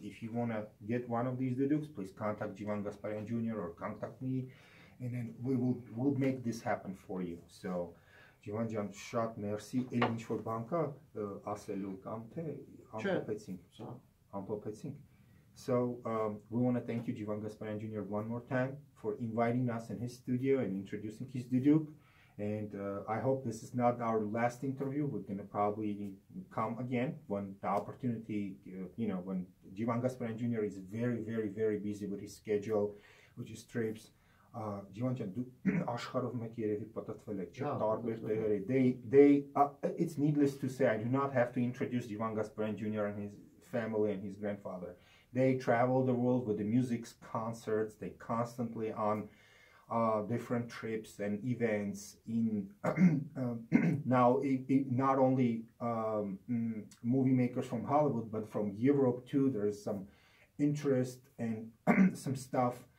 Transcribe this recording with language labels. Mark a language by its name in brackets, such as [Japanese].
[English] If you wanna get one of these Duduks, please contact Jivan Gasparyan Jr. or contact me, and then we'll make this happen for you. So. [Armenian] Jivan jan, շատ մերսի, այլ ինչ-որ բան կա ասելու կամ թե ամփոփեցինք, հա, ամփոփեցինք. [English] So, we want to thank you Jivan Gasparyan Jr. one more time for inviting us in his studio and introducing his Duduk. And I hope this is not our last interview. We're going to probably come again when the opportunity, you know, when Jivan Gasparyan Jr. is very, very, very busy with his schedule, with his trips. [Armenian] Jivan jan, դու աշխարհով մեկ երևի պատտվել եք, չէ՞, տարբեր տեղերի, [English] it's needless to say, I do not have to introduce Jivan Gasparyan Jr. and his family and his grandfather. They travel the world with the music concerts, they constantly on different trips and events in, now, not only movie makers from Hollywood, but from Europe too, there's some interest and some stuff.